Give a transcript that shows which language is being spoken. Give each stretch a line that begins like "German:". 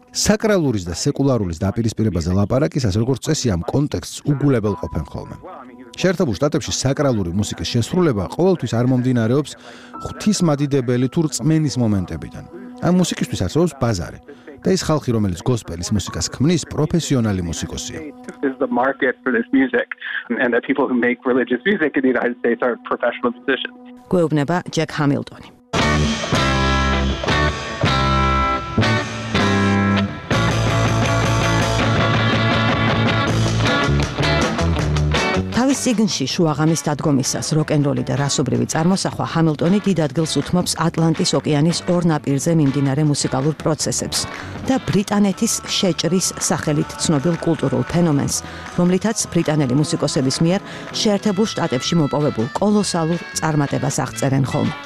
Georgian: საკრალურის და სეკულარულის დაპირისპირებაზე ლაპარაკისას, როგორც წესი, ამ კონტექსტს უგულებელ ყოფენ ხოლმე. შეერთებულ შტატებში საკრალური მუსიკის შესრულება ყოველთვის არ მომდინარეობს ღვთისმადიდებელი თუ რწმენის მომენტებიდან. ამ მუსიკისთვის არსებობს ბაზარი და ის ხალხი, რომელიც gospel-ის მუსიკას ქმნის, პროფესიონალი მუსიკოსია.
English: This is the market for this music, and the people who make religious music in the United States are professional musicians.
Georgian: გვეუბნება ჯეკ ჰამილტონი. თავის ციგნში შუაღამის დადგომისას როკენროლი და რასობრივი წარმოსახვა ჰამილტონი დიდ ადგილს უთმობს ატლანტის ოკეანის ორ ნაპირზე მიმდინარე მუსიკალურ პროცესებს და ბრიტანეთის შეჭრის სახელით ცნობილ კულტურულ ფენომენს, რომლითაც ბრიტანელი მუსიკოსების მიერ შეერთებულ შტატებში მოპოვებულ კოლოსალურ წარმატებას აღწერენ ხოლმე.